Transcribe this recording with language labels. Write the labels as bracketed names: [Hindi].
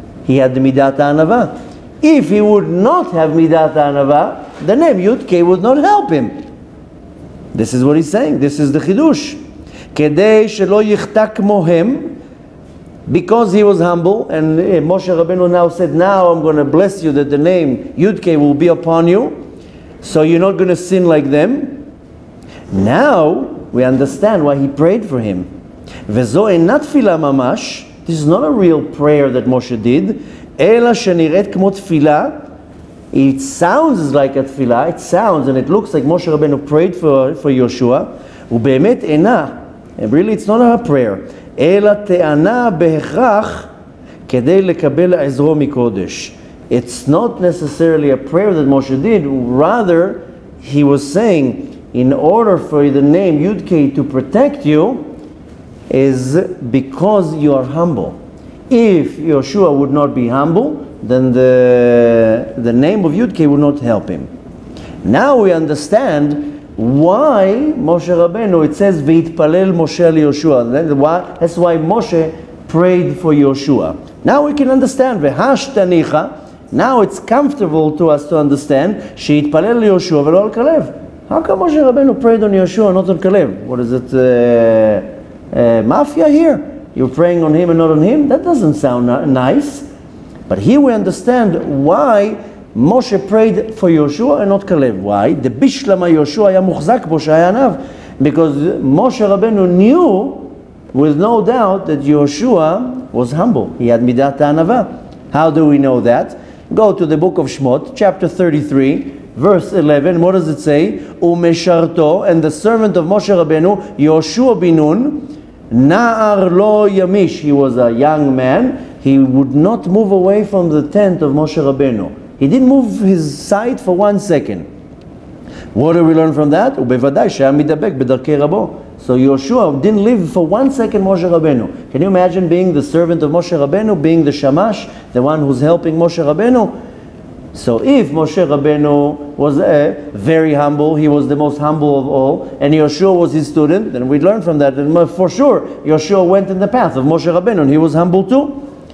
[English] He had מידת הענבה. If he would not have מידת הענבה, the name Yud-K would not help him. This is what he's saying. This is the חידוש. [Hebrew] כדי שלא יחטא כמוהם, [English] because he was humble, and Moshe Rabbeinu now said, now I'm going to bless you that the name Yud-K will be upon you, so you're not going to sin like them. Now we understand why he prayed for him. [Hebrew] וזו אינה תפילה ממש, [English] this is not a real prayer that Moshe did, [Hebrew] אלא שנראית כמו תפילה, [English] it sounds like a תפילה, it sounds and it looks like Moshe Rabbeinu prayed for Yoshua, [Hebrew] ובאמת אינה, [English] and really it's not a prayer, [Hebrew] אלא טענה בהכרח כדי לקבל עזרו מקודש. [English] It's not necessarily a prayer that Moshe did, rather he was saying, in order for the name Yud-K to protect you, is because you are humble. If Yoshua would not be humble, then the name of Yud-K would not help him. Now we understand why Moshe Rabbeinu, it says, "V'itpalel Moshe al Yoshua." That's why Moshe prayed for Yoshua. Now we can understand. V'hashtanicha. Now it's comfortable to us to understand. She'itpalel al Yoshua v'lo al Kalev. How come Moshe Rabbeinu prayed on Yoshua, not on Kalev? What is it? Mafia here? You're praying on him and not on him? That doesn't sound nice. But here we understand why Moshe prayed for Yoshua and not Kalev. Why? The Bishlama Yoshua [Hebrew] היה מוחזק בו שהיה ענב. [English] Because Moshe Rabbeinu knew with no doubt that Yoshua was humble. He had מידת הענבה. How do we know that? Go to the book of Shmot, chapter 33, verse 11. What does it say? ומשרתו, and the servant of Moshe Rabbeinu, Yoshua בן נון, [Hebrew] נער לא ימיש. [English] He was a young man. He would not move away from the tent of Moshe Rabbeinu. He didn't move his sight for one second. What do we learn from that? [Hebrew] ובוודאי שהיה מדבק בדרכי רבו. [English] So Yoshua didn't leave for one second Moshe Rabbeinu. Can you imagine being the servant of Moshe Rabbeinu, being the Shamash, the one who's helping Moshe Rabbeinu? So if Moshe Rabbeinu was very humble, he was the most humble of all, and Yoshua was his student, then we'd learn from that. And for sure, Yoshua went in the path of Moshe Rabbeinu, and he was humble too.